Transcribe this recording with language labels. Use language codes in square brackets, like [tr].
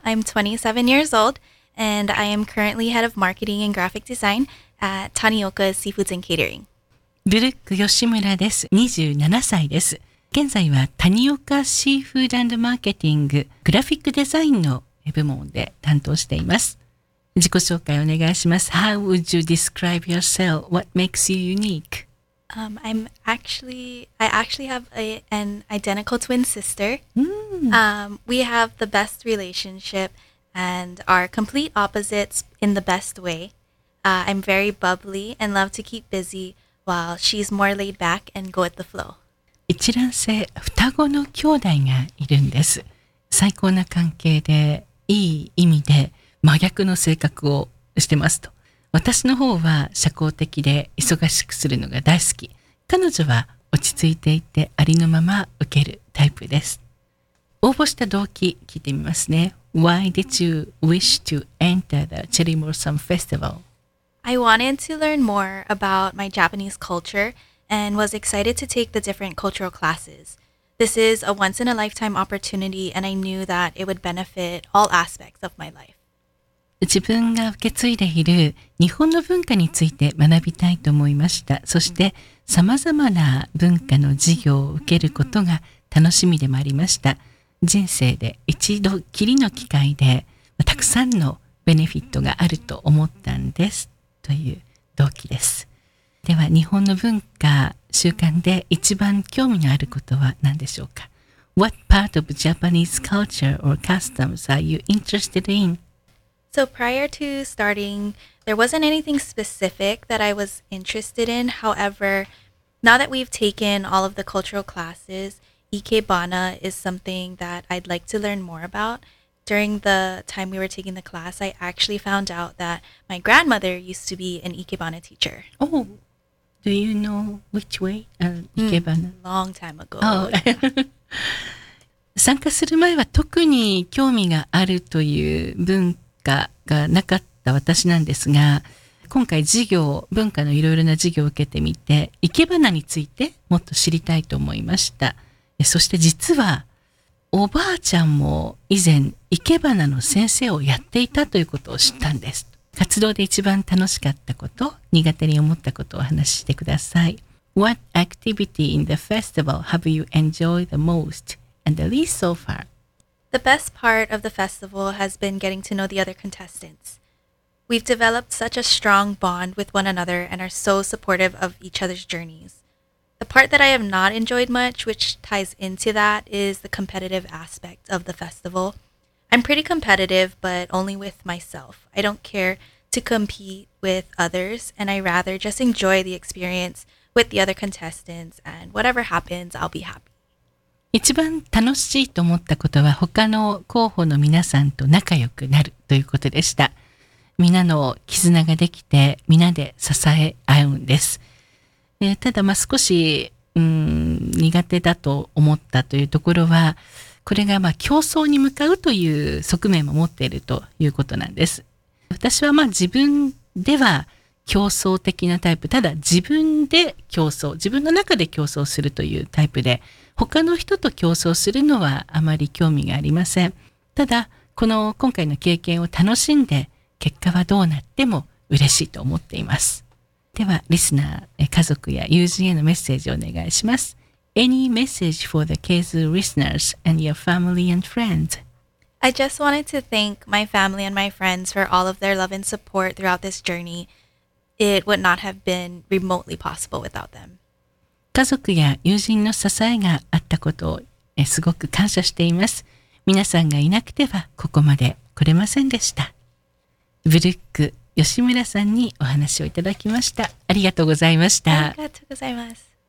[en] I'm 27 years old, and I am currently head of marketing and graphic design at Tanioka Seafoods and Catering. [ja] Brooke Yoshimura です。 27歳です。現在は Tanioka Seafood and Marketing グラフィックデザインの部門で担当しています。自己紹介お願いします。 [en] How would you describe yourself? What makes you unique? I actually have an identical twin sister. We have the best relationship and are complete opposites in the best way. I'm very bubbly and love to keep busy while she's more laid back and go with the flow. [ja] 一卵性双子の兄弟がいるんです。最高な関係でいい意味で真逆の性格をしてますと。私の方は社交的で忙しくするのが大好き。彼女は落ち着いていてありのまま受けるタイプです。応募した動機聞いてみますね。 [en] Why did you wish to enter the Cherry Blossom Festival? I wanted to learn more about my Japanese culture and was excited to take the different cultural classes. This is a once-in-a-lifetime opportunity and I knew that it would benefit all aspects of my life. [ja] 自分が受け継いでいる日本の文化について学びたいと思いました。そして様々な文化の授業を受けることが楽しみでもありました。人生で一度きりの機会でたくさんのベネフィットがあると思ったんですという動機です。では日本の文化習慣で一番興味のあることは何でしょうか? [en] What part of Japanese culture or customs are you interested in? So prior to starting, there wasn't anything specific that I was interested in. However, now that we've taken all of the cultural classes, Ikebana is something that I'd like to learn more about. During the time we were taking the class, I actually found out that my grandmother used to be an Ikebana teacher. Oh, do you know which way? Ikebana? Long time ago. Oh. Yeah. [ja] 参加する前は特に興味があるという文化がなかった私なんですが、今回授業、文化のいろいろな授業を受けてみて、生け花についてもっと知りたいと思いました。そして実は、おばあちゃんも以前、生け花の先生をやっていたということを知ったんです。活動で一番楽しかったこと、苦手に思ったことを話してください。 [en] What activity in the festival have you enjoyed the most and the least so far? The best part of the festival has been getting to know the other contestants. We've developed such a strong bond with one another and are so supportive of each other's journeys. The part that I have not enjoyed much, which ties into that, is the competitive aspect of the festival. I'm pretty competitive, but only with myself. I don't care to compete with others, and I rather just enjoy the experience with the other contestants, and whatever happens, I'll be happy. [ja] 一番楽しいと思ったことは他の候補の皆さんと仲良くなるということでした。みんなの絆ができてみんなで支え合うんです。ただまあ少し苦手だと思ったというところは、これがまあ競争に向かうという側面も持っているということなんです。私はまあ自分では競争的なタイプ、ただ自分で競争、自分の中で競争するというタイプで、他の人と競争するのはあまり興味がありません。ただ、この今回の経験を楽しんで、結果はどうなっても嬉しいと思っています。では、リスナー、家族や友人へのメッセージをお願いします。 [en] Any message for the Keizu listeners and your family and friends? I just wanted to thank my family and my friends for all of their love and support throughout this journey. It would not have been remotely possible without them. [ja] 家族や友人の支えがあったことをすごく感謝しています。皆さんがいなくてはここまで来れませんでした。ブルック吉村さんにお話をいただきました。ありがとうございました。ありがとうございます。